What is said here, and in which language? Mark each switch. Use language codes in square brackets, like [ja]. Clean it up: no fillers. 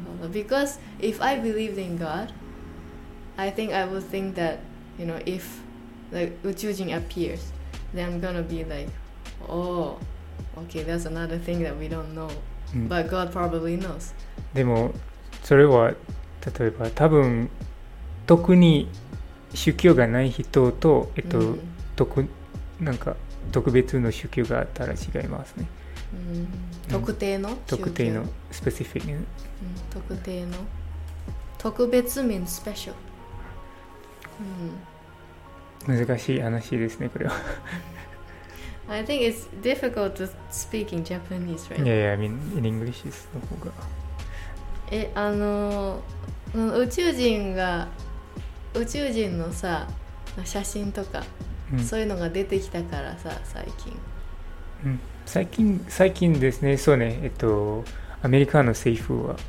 [en] Because if I believed in God, I think I would think that, you know, if the 宇宙人 appears, then I'm gonna be like, oh, okay, that's another thing that we don't know,、うん、but God probably knows. [ja] でもそれは例えば多分特に宗教がない人と、うん、なんか特別の宗教があったら違いますね、うん、特定の宗教、特定のスペシフィック、うん、特定の特別 [en] means special、 [ja] うん、難しい話ですねこれは。 [en] I think it's difficult to speak in Japanese, right? Yeah, yeah, I mean in English is [ja] の方が、宇宙人が、宇宙人のさ写真とか、うん、そういうのが出てきたからさ最近、うん、最近ですね。そうね、アメリカの政府は、